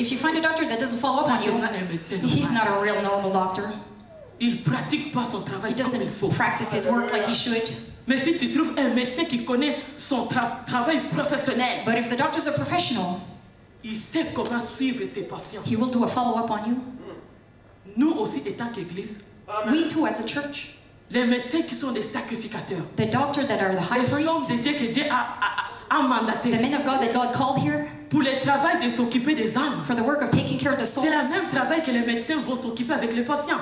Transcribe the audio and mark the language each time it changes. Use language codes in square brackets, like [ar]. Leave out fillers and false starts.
[en] if you find a doctor that doesn't follow up on you, he's not a real normal doctor. [fr] Il pratique pas son travail comme il faut. [en] He doesn't practice his work like he should. [fr] Mais si tu trouves un médecin qui connaît son travail professionnel, [en] but if the doctor's a professional, [fr] il sait comment suivre ses patients. [en] He will do a follow up on you. [fr] Nous aussi étant qu'église, [en] we too as a church, [fr] les médecins qui sont des sacrificateurs, [en] the doctors that are the high priests, [fr] les hommes de Dieu que Dieu a mandaté, [en] the men of God that God called here, [fr] pour le travail de s'occuper des âmes, [en] for the work of taking care of the souls, [fr] c'est le même travail que les médecins vont s'occuper avec les patients,